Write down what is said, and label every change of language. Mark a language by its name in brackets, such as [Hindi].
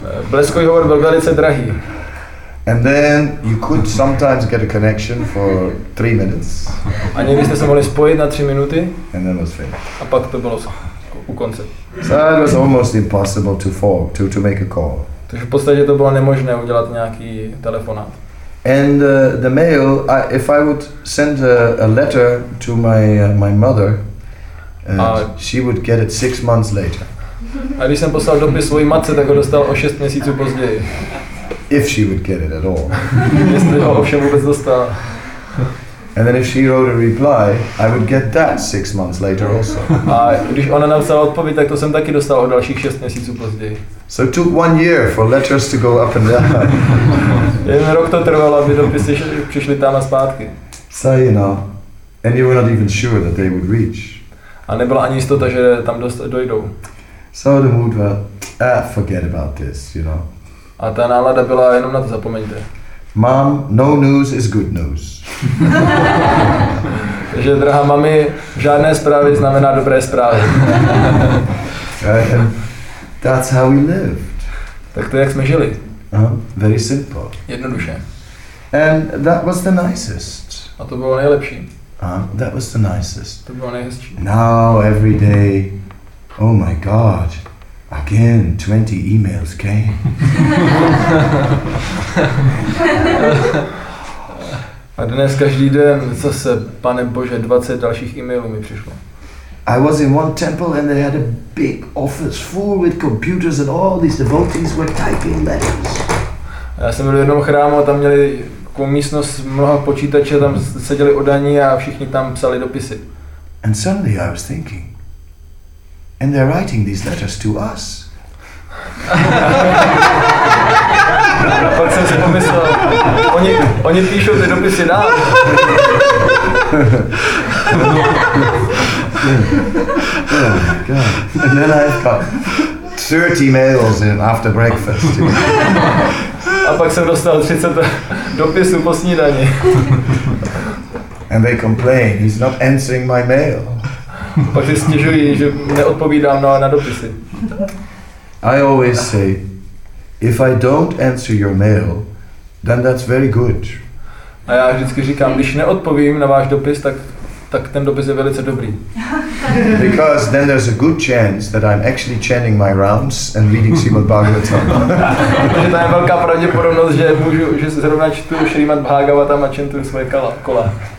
[Czech] Bleskový hovor byl velice drahý. [English] And then you could sometimes get a connection for 3 minutes. [Czech] A někdy jste se mohli spojit na 3 minuty. [English] And then it was finished. [Czech] A pak to bylo u konce. [English] So it was almost impossible to make a call. [Czech] Takže v podstatě to bylo nemožné udělat nějaký telefonát. [English] And the mail, if I would send a letter to my mother, she would get it 6 months later. [Czech] A když jsem poslal dopis svojí matce, tak ho dostal o 6 měsíců později. [English] If she would get it at all. [Czech] Jestli ho ovšem vůbec dostal. [English] And then if she wrote a reply, I would get that 6 months later also. [Czech] A když ona napsala odpověď, tak to jsem taky dostal o dalších 6 měsíců později. [English] So it took 1 year for letters to go up and down. [Czech] Jeden rok to trvalo, aby dopisy přišly tam a zpátky. [English] So you know, and you were not even sure that they would reach. [Czech] A nebyla ani jistota, že tam dojdou. [English] So the mood was, forget about this, you know. [Czech] A ta nálada byla, jenom na to zapomeňte. [English] Mom, no news is good news. [Czech] Že drahá mami, žádné zprávy znamená dobré zprávy. [English] That's how we lived. [Czech] Tak to je, jak jsme žili. [English] Very simple. [Czech] Jednoduše. [English] And that was the nicest. [Czech] A to bylo nejlepší. [English] That was the nicest. [Czech] To bylo nejhezčí. [English] Now every day, oh my God, again 20 emails came. [Czech] A dnes každý den, zase, pane Bože, 20 dalších emailů mi přišlo. [English] I was in one temple and they had a big office full with computers and all these devotees were typing letters. [Czech] Já jsem byl v jednom chrámu a tam měli takovou místnost mnoha počítačů, tam seděli oddaní a všichni tam psali dopisy. [English] And suddenly I was thinking, and they're writing these letters to us. [Czech] A pak jsem si pomyslel, oni píšou ty dopisy nám. [English] Yeah. Oh my God. And then I've got 30 mails in after breakfast. [Czech] A pak jsem dostal 30 dopisů po snídani. [English] And they complain, he's not answering my mail. [Czech] Pak si stěžují, že neodpovídám na dopisy. [English] I always say, if I don't answer your mail, then that's very good. [Czech] A já vždycky říkám, když neodpovím na váš dopis, tak ten dopis je velice dobrý. [English] Because then there's a good chance that I'm actually chanting my rounds and reading Srimad Bhagavatam. [Czech] Takže tam je velká pravděpodobnost, že zrovna čtu Srimad Bhagavatam a čentuju svoje kola.